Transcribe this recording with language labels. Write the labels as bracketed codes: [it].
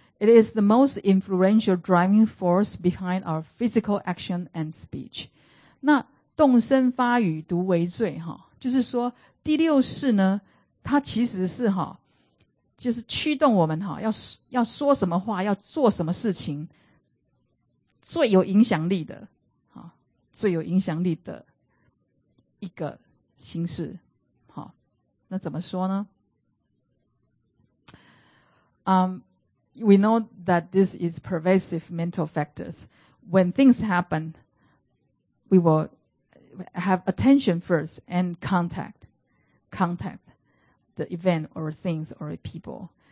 [en] It is the most influential driving force behind our physical action and speech. [zh] 那动身发语独为罪，就是说第六识呢，它其实是就是驱动我们 要说什么话，要做什么事情最有影响力的，最有影响力的一个心识。那怎么说呢？ [en] We know that this is pervasive mental factors. When things happen, we will have attention first and contact the event or things or people.